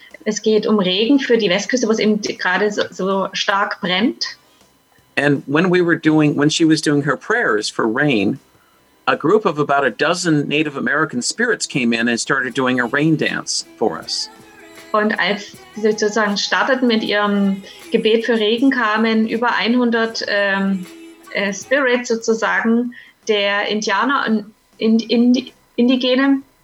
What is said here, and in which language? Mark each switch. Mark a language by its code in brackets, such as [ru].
[de] Es geht um Regen für die Westküste, wo es eben gerade so stark brennt. [en] And when she was doing her prayers for rain, a group of about a dozen Native American spirits came in and started doing a rain dance for us. [de] Und als sie sozusagen starteten mit ihrem Gebet für Regen, kamen über 100 Spirits sozusagen der Indianer und Indigene.